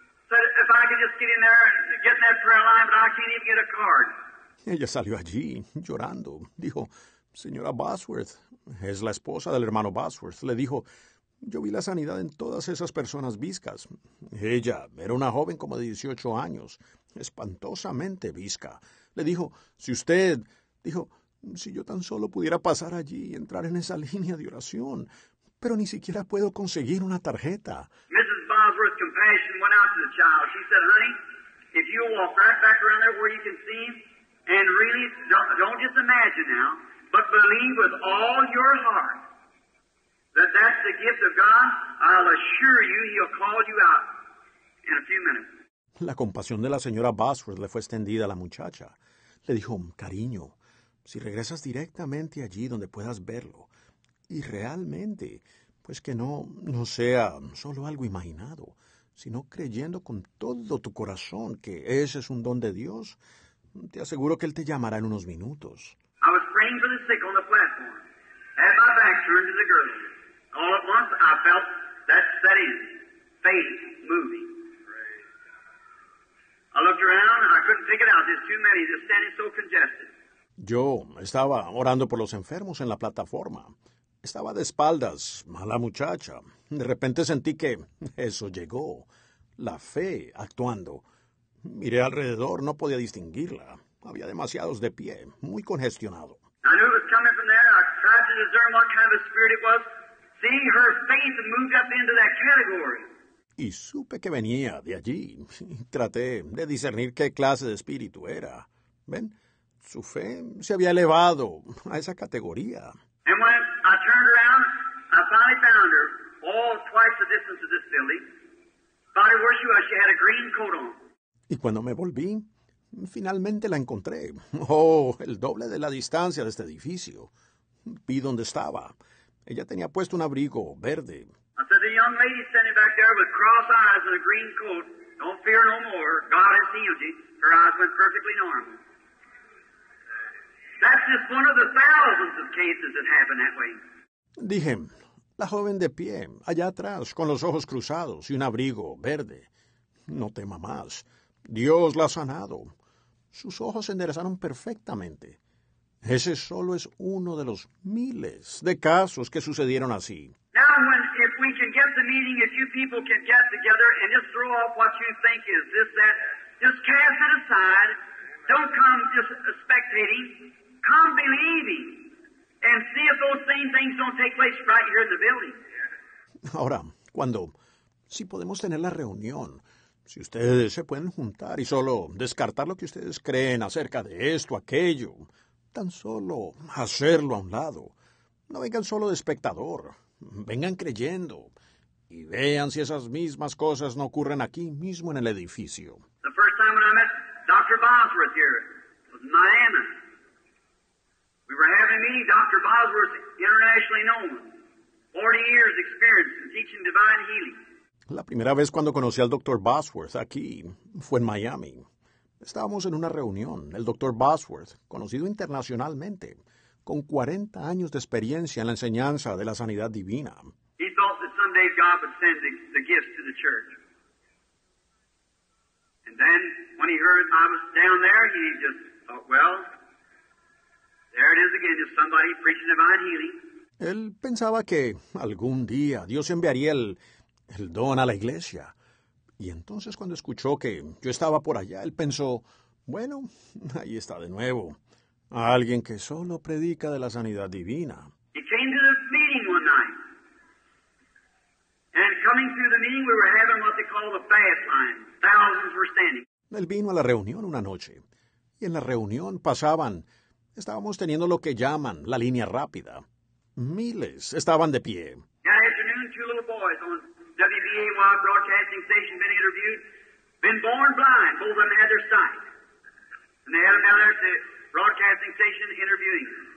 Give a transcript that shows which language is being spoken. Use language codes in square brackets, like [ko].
[en] Said, if I could just get in there and get in that prayer line, but I can't even get a card. [es] Ella salió allí, llorando, dijo, señora Bosworth... Es la esposa del hermano Bosworth. Le dijo, yo vi la sanidad en todas esas personas viscas. Ella era una joven como de 18 años, espantosamente visca. Le dijo, si usted, dijo, si yo tan solo pudiera pasar allí y entrar en esa línea de oración, pero ni siquiera puedo conseguir una tarjeta. [en] Mrs. Bosworth's compassion went out to the child. She said, honey, if you walk right back around there where you can see him, and really, don't just imagine now, but believe with all your heart that that's the gift of God, I'll assure you he'll call you out in a few minutes. [es] La compasión de la señora Bosworth le fue extendida a la muchacha. Le dijo, cariño, si regresas directamente allí donde puedas verlo, y realmente, pues que no sea solo algo imaginado, sino creyendo con todo tu corazón que ese es un don de Dios, te aseguro que él te llamará en unos minutos. [en] I was praying for the sick on the platform. Had my back turned to the girl. All at once, I felt that setting, faith moving. I looked around. I couldn't pick it out. There's too many. They're standing so congested. [es] Yo estaba orando por los enfermos en la plataforma. Estaba de espaldas a la muchacha. De repente sentí que eso llegó. La fe actuando. Miré alrededor. No podía distinguirla. Había demasiados de pie, muy congestionado. [en] I knew it was coming from there. I tried to discern what kind of spirit it was. Seeing her faith moved up into that category. [es] Y supe que venía de allí. Traté de discernir qué clase de espíritu era. ¿Ven? Su fe se había elevado a esa categoría. [en] And when I turned around, I finally found her, all twice the distance of this building. Body where she was, she had a green coat on. [es] Y cuando me volví, finalmente la encontré. Oh, el doble de la distancia de este edificio. Vi dónde estaba. Ella tenía puesto un abrigo verde. [en] I said, the young lady standing back there with cross eyes and a green coat. Don't fear no more. God has healed you. Her eyes went perfectly normal. That's just one of the thousands of cases that happen that way. [es] Dije, la joven de pie, allá atrás, con los ojos cruzados y un abrigo verde. No tema más. Dios la ha sanado. Sus ojos se enderezaron perfectamente. Ese solo es uno de los miles de casos que sucedieron así. [en] Now, if we can get the meeting, if you people can get together and just throw off what you think is this, that, just cast it aside. Don't come just spectating. Come believing. And see if those same things don't take place right here in the building. [es] Ahora, cuando, si podemos tener la reunión, si ustedes se pueden juntar y solo descartar lo que ustedes creen acerca de esto, aquello, tan solo hacerlo a un lado. No vengan solo de espectador. Vengan creyendo y vean si esas mismas cosas no ocurren aquí mismo en el edificio. [en] The first time when I met Dr. Bosworth here was in Miami. We were having a meeting. Dr. Bosworth, internationally known, 40 years experience in teaching divine healing. [es] La primera vez cuando conocí al Dr. Bosworth aquí fue en Miami. Estábamos en una reunión. El Dr. Bosworth, conocido internacionalmente, con 40 años de experiencia en la enseñanza de la sanidad divina. [en] He thought that someday God would send the gift to the church. And then, when he heard I was down there, he just thought, well, There it is again, just somebody preaching divine healing. [es] Él pensaba que algún día Dios enviaría el don a la iglesia. Y entonces cuando escuchó que yo estaba por allá, él pensó, bueno, ahí está de nuevo. Alguien que solo predica de la sanidad divina. [en] He came to the meeting one night. And coming through the meeting, we were having what they call the fast line. Thousands were standing. [es] Él vino a la reunión una noche. Y en la reunión pasaban, estábamos teniendo lo que llaman la línea rápida. Miles estaban de pie. [en] That afternoon, two little boys on WBAY broadcasting station been interviewed, been born blind, both of them had their sight. And they had them down there at the broadcasting station interviewing.